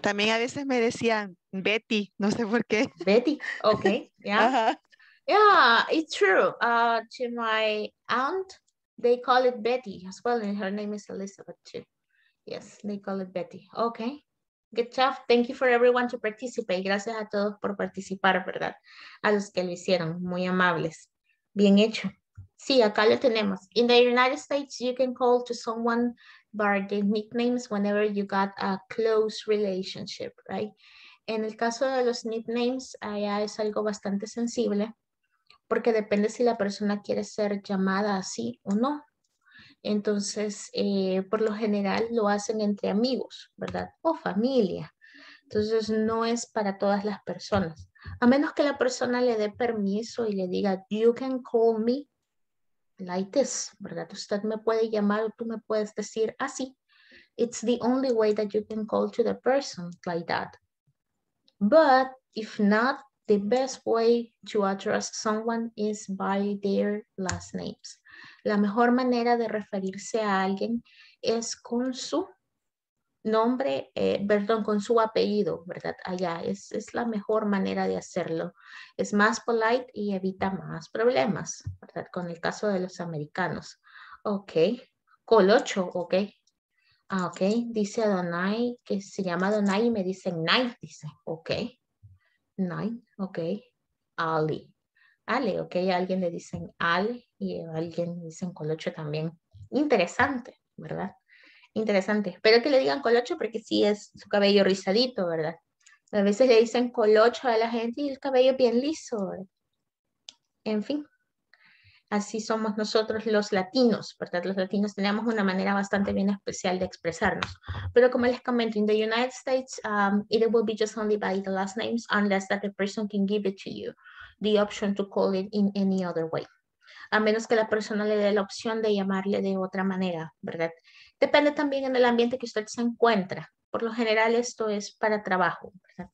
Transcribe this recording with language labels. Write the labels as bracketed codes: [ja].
[es] También a veces me decían Betty, no sé por qué. [en] Betty, ok. Yeah, it's true. To my aunt, they call it Betty as well, and her name is Elizabeth too. Yes, they call it Betty. Okay. Good job. Thank you for everyone to participate. [es] Gracias a todos por participar, ¿verdad? A los que lo hicieron. Muy amables. Bien hecho. Sí, acá lo tenemos. [en] In the United States, you can call to someone by their nicknames whenever you got a close relationship, right? [es] En el caso de los nicknames, allá es algo bastante sensible porque depende si la persona quiere ser llamada así o no. Entonces, por lo general lo hacen entre amigos, ¿verdad? O familia. Entonces, no es para todas las personas. A menos que la persona le dé permiso y le diga, [en] you can call me like this, [es] ¿verdad? Usted me puede llamar o tú me puedes decir así. [en] It's the only way that you can call to the person like that. But if not, the best way to address someone is by their last names. [es] La mejor manera de referirse a alguien es con su nombre, perdón, con su apellido, ¿verdad? Allá es la mejor manera de hacerlo. Es más polite y evita más problemas, ¿verdad? Con el caso de los americanos. Ok, Colocho, ok. Ah, ok, dice Adonai, que se llama Adonai y me dicen Night, dice. Ok, Night, ok. Ali. Ale, ok, alguien le dicen Al y alguien le dicen Colocho también. Interesante, ¿verdad? Interesante. Espero que le digan Colocho porque sí es su cabello rizadito, ¿verdad? A veces le dicen Colocho a la gente y el cabello bien liso, ¿verdad? En fin, así somos nosotros los latinos, ¿verdad? Los latinos tenemos una manera bastante bien especial de expresarnos. Pero como les comento, [en] in the United States, it will be just only by the last names unless that the person can give it to you. The option to call it in any other way. [es] A menos que la persona le dé la opción de llamarle de otra manera, ¿verdad? Depende también en el ambiente que usted se encuentra. Por lo general, esto es para trabajo, ¿verdad?